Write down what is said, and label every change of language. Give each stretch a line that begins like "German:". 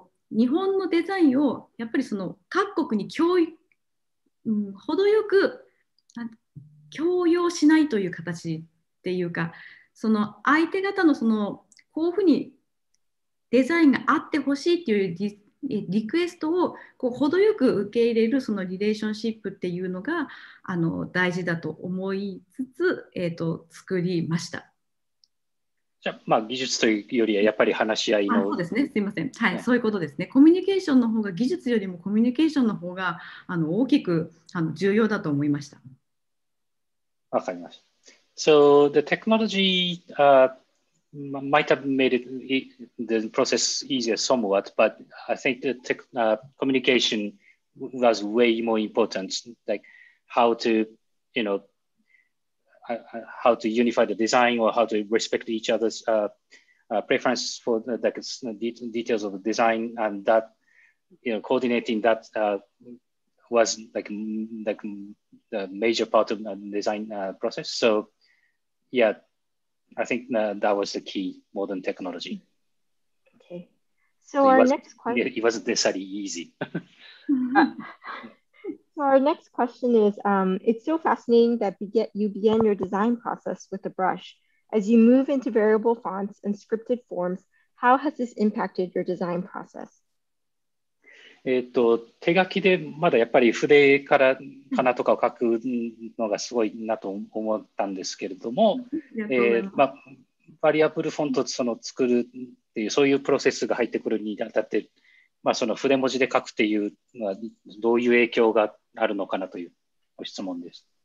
Japanese: 日本のデザインをやっぱりその各国に強要しないという形っていうか、その相手方のそのこういうふうにデザインがあってほしいっていうリクエストをこう程よく受け入れるそのリレーションシップっていうのがあの大事だと思いつつ、作りました。じゃあ、まあ、技術というよりはやっぱり話し合いの、そうですね、すいません、はい、ね、そういうことですね。コミュニケーションの方が、技術よりもコミュニケーションの方があの大きくあの重要だと思いました。わかりました。
English: So the technology might have made the process easier somewhat, but I think the communication was way more important, like how to, you know, how to unify the design or how to respect each other's preferences for the details of the design, and that, you know, coordinating that was like the major part of the design process. So, yeah, I think that was the key, more than technology. Okay. So our next question. It wasn't necessarily easy. So our next question is, it's so fascinating that you began your design process with a brush. As you move into variable fonts and scripted forms, how has this impacted your design process?
Japanese: 手書きでまだやっぱり筆から花とかを書くのがすごいなと思ったんですけれども、まあ、バリアブルフォントその作るっていうそういうプロセスが入ってくるにあたって、まあ、その筆文字で書くっていうのはどういう影響があるのかなというご質問です。